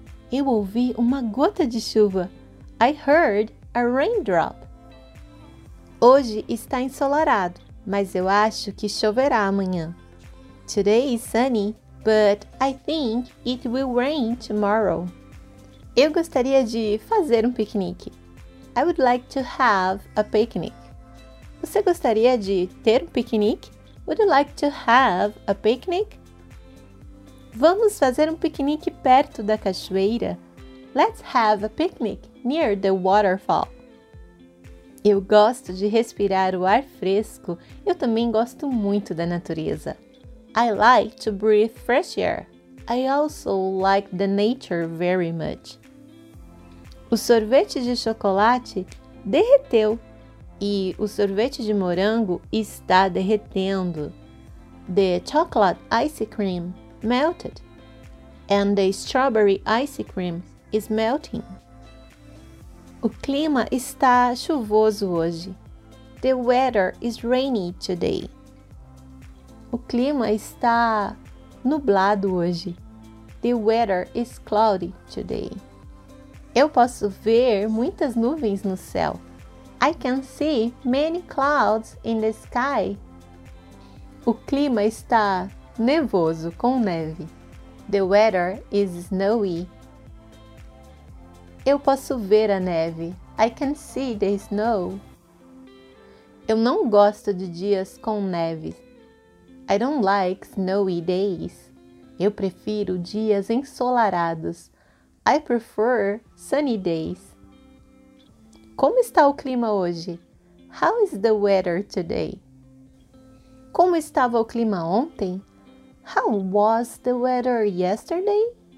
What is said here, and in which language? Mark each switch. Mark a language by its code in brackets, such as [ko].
[pt] Eu ouvi uma gota de chuva. [en] I heard a raindrop. [pt] Hoje está ensolarado, mas eu acho que choverá amanhã. [en] Today is sunny, but I think it will rain tomorrow. [pt] Eu gostaria de fazer um piquenique. [en] I would like to have a picnic. [pt] Você gostaria de ter um piquenique? [en] Would you like to have a picnic? [pt] Vamos fazer piquenique perto da cachoeira. [en] Let's have a picnic near the waterfall. [pt] Eu gosto de respirar o ar fresco. Eu também gosto muito da natureza. [en] I like to breathe fresh air. I also like the nature very much. [pt] O sorvete de chocolate derreteu. E o sorvete de morango está derretendo. [en] The chocolate ice cream melted. And the strawberry ice cream is melting. [pt] O clima está chuvoso hoje. [en] The weather is rainy today. [pt] O clima está nublado hoje. [en] The weather is cloudy today. [pt] Eu posso ver muitas nuvens no céu. [en] I can see many clouds in the sky. [pt] O clima está nevoso, com neve. [en] The weather is snowy. [pt] Eu posso ver a neve. [en] I can see the snow. [pt] Eu não gosto de dias com neve. [en] I don't like snowy days. [pt] Eu prefiro dias ensolarados. [en] I prefer sunny days. [pt] Como está o clima hoje? [en] How is the weather today? [pt] Como estava o clima ontem? [en] How was the weather yesterday?